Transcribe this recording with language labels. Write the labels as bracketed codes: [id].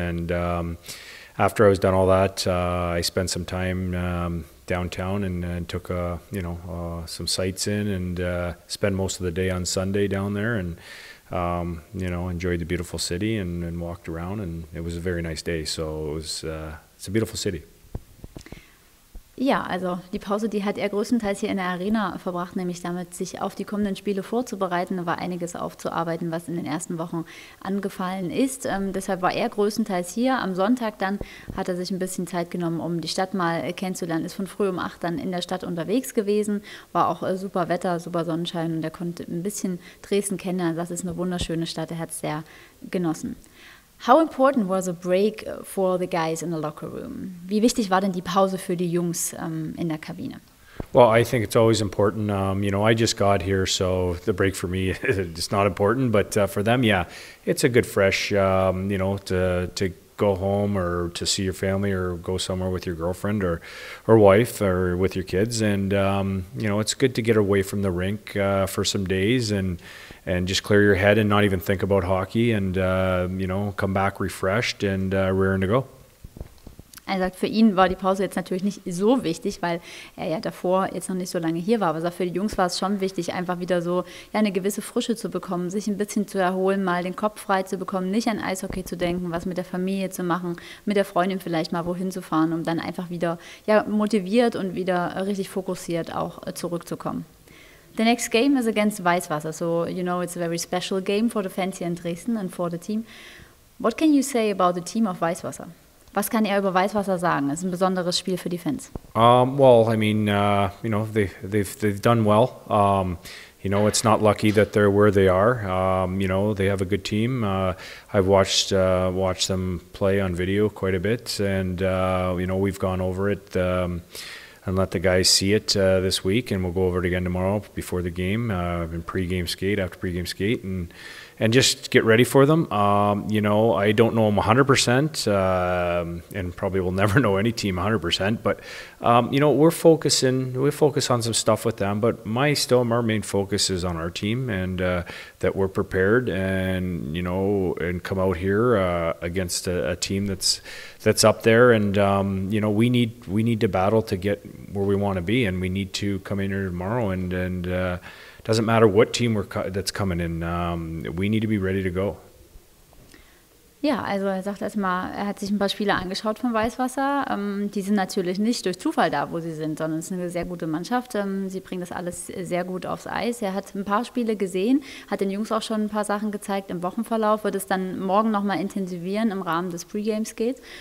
[en] And after I was done all that, I spent some time downtown and took some sights in and spent most of the day on Sunday down there and enjoyed the beautiful city and walked around, and it was a very nice day. So it's a beautiful city. [de] Ja, also die Pause, die hat er größtenteils hier in der Arena verbracht, nämlich damit, sich auf die kommenden Spiele vorzubereiten. Da war einiges aufzuarbeiten, was in den ersten Wochen angefallen ist. Deshalb war er größtenteils hier. Am Sonntag dann hat er sich ein bisschen Zeit genommen, um die Stadt mal kennenzulernen. Ist von früh um 8 dann in der Stadt unterwegs gewesen. War auch super Wetter, super Sonnenschein. Und er konnte ein bisschen Dresden kennenlernen. Das ist eine wunderschöne Stadt. Er hat es sehr genossen. [en] How important was a break for the guys in the locker room? [de] Wie wichtig war denn die Pause für die Jungs in der Kabine? [en] Well, I think it's always important. I just got here, so the break for me is not important. But for them, yeah, it's a good fresh, to go home or to see your family or go somewhere with your girlfriend or wife or with your kids. And, it's good to get away from the rink for some days and just clear your head and not even think about hockey and, come back refreshed and raring to go. [de] Er sagt, für ihn war die Pause jetzt natürlich nicht so wichtig, weil er ja davor jetzt noch nicht so lange hier war. Aber für die Jungs war es schon wichtig, einfach wieder so eine gewisse Frische zu bekommen, sich ein bisschen zu erholen, mal den Kopf frei zu bekommen, nicht an Eishockey zu denken, was mit der Familie zu machen, mit der Freundin vielleicht mal wohin zu fahren, um dann einfach wieder motiviert und wieder richtig fokussiert auch zurückzukommen. [en] The next game is against Weißwasser, so it's a very special game for the fans here in Dresden and for the team. What can you say about the team of Weißwasser? [de] Was kann er über Weißwasser sagen? Es ist ein besonderes Spiel für die Fans. [en] They've done well. It's not lucky that they're where they are. They have a good team. I've watched them play on video quite a bit, and we've gone over it and let the guys see it this week, and we'll go over it again tomorrow before the game, after pregame skate, and just get ready for them. I don't know them 100%, and probably will never know any team 100%, but, we focus on some stuff with them, but our main focus is on our team, and that we're prepared and come out here against a team that's up there, and, we need to battle to get where we want to be, and we need to come in here tomorrow, doesn't matter what team that's coming in, we need to be ready to go. [de] Ja, also er sagt erstmal, er hat sich ein paar Spiele angeschaut von Weißwasser. Die sind natürlich nicht durch Zufall da, wo sie sind, sondern es ist eine sehr gute Mannschaft. Sie bringen das alles sehr gut aufs Eis. Er hat ein paar Spiele gesehen, hat den Jungs auch schon ein paar Sachen gezeigt im Wochenverlauf, wird es dann morgen nochmal intensivieren im Rahmen des Pre-Game-Skates.